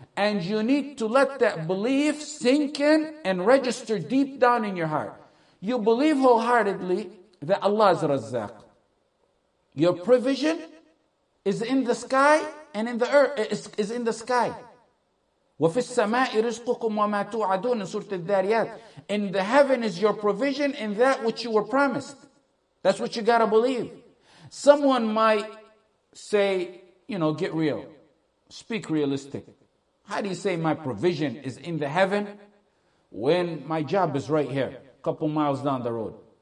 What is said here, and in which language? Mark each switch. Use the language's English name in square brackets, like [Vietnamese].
[English] And you need to let that belief sink in and register deep down in your heart. You believe wholeheartedly that Allah is Razzaq. Your provision is in the sky and in the earth, is in the sky. [Arabic] وَفِي السَّمَاءِ رِزْقُكُمْ وَمَا تُوْعَدُونَ [English] in Surah Al-Dhariyat. In the heaven is your provision in that which you were promised. That's what you got to believe. Someone might say, you know, get real. Speak realistic. How do you say my provision is in the heaven when my job is right here, a couple miles down the road?